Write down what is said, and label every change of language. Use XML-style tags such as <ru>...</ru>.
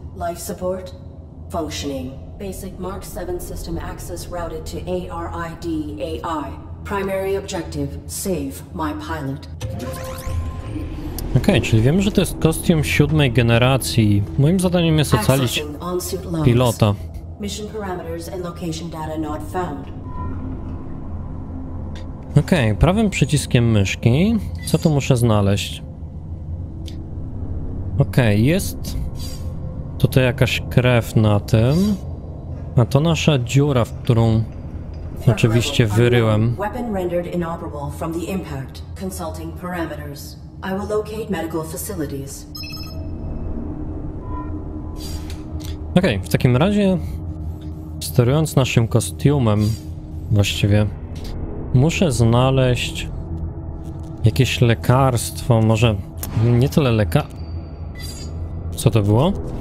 <en>Life support functioning. Basic Mark 7 system access routed to ARID AI. Primary objective, save my pilot.</en> <pl>Okej, czyli wiemy, że to jest kostium siódmej generacji. Moim zadaniem jest ocalić pilota.</pl> <en>Mission parameters and location data not found.</en> <pl>Okej, prawym przyciskiem myszki. Co tu muszę znaleźć? Okej, jest tutaj jakaś krew na tym. A to nasza dziura, w którą oczywiście wyryłem.</pl> <en>Weapon rendered inoperable from the impact. Consulting parameters. I will locate medical facilities.</en> <pl>Okej, w takim razie sterując naszym kostiumem właściwie muszę znaleźć jakieś lekarstwo, może nie tyle co to było?</pl>